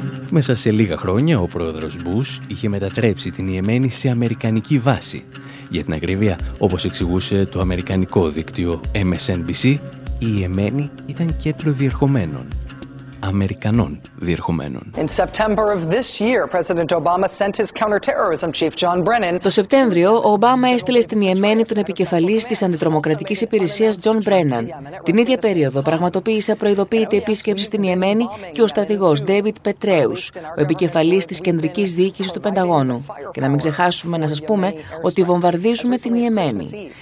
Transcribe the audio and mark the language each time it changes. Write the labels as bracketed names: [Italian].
[Greek] Μέσα σε λίγα χρόνια, ο πρόεδρος Μπους είχε μετατρέψει την Ιεμένη σε αμερικανική βάση. Για την ακρίβεια, όπως εξηγούσε το αμερικανικό δίκτυο MSNBC, η Ιεμένη ήταν κέντρο διερχομένων. Αμερικανών διερχομένων. [English] In September of this year, President Obama sent his counter-terrorism chief John Brennan. [Greek] Το Σεπτέμβριο, ο Ομπάμα έστειλε στην Ιεμένη τον επικεφαλής της αντιτρομοκρατικής υπηρεσίας John Brennan. Την ίδια περίοδο πραγματοποίησε προειδοποίητη επίσκεψη στην Ιεμένη και ο στρατηγός David Petraeus, ο επικεφαλής της κεντρικής διοίκησης του Πενταγώνου. Και να μην ξεχάσουμε να σας πούμε ότι βομβαρδίζουμε την Ιεμένη.